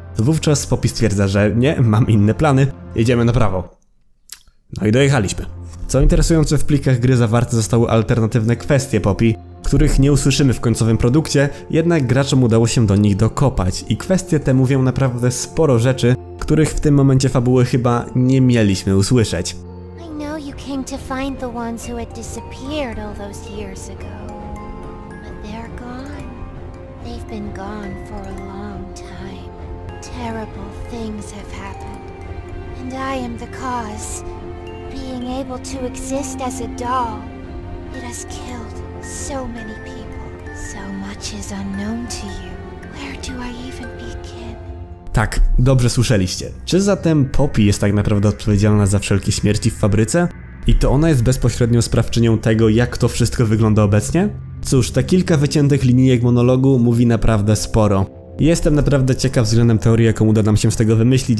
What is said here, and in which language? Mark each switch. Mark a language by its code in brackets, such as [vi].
[pl] Wówczas Poppy stwierdza, że nie, mam inne plany, jedziemy na prawo. No i dojechaliśmy. Co interesujące, w plikach gry zawarte zostały alternatywne kwestie Poppy, których nie usłyszymy w końcowym produkcie, jednak graczom udało się do nich dokopać i kwestie te mówią naprawdę sporo rzeczy, których w tym momencie fabuły chyba nie mieliśmy usłyszeć. [en] Came to find the ones who had disappeared all those years ago. But they're gone. They've been gone for a long Terrible things have happened, and I am the cause. Being able to exist as a doll, it has killed so many people. So much is unknown to you. Where do I even begin? [pl] Tak, dobrze słyszeliście. Czy zatem Poppy jest tak naprawdę odpowiedzialna za wszelkie śmierci w fabryce? I to ona jest bezpośrednią sprawczynią tego, jak to wszystko wygląda obecnie? Cóż, te kilka wyciętych linijek monologu mówi naprawdę sporo. Jestem naprawdę ciekaw względem teorii, jaką uda nam się z tego wymyślić.